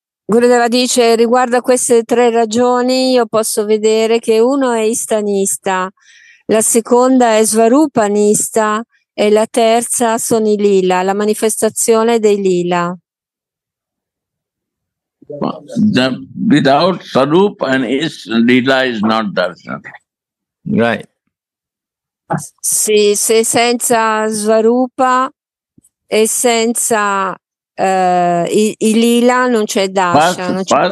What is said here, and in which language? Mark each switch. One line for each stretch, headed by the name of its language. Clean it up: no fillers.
Italian: Gurudeva dice, riguardo a queste tre ragioni, io posso vedere che uno è Istanista, la seconda è Svarupanista, e la terza sono i Lila, la manifestazione dei Lila.
English: Without Sarup and his Lila is not Darshan. Right.
Italian: Sì, se senza Svarupa e senza i Lila non c'è Darshan.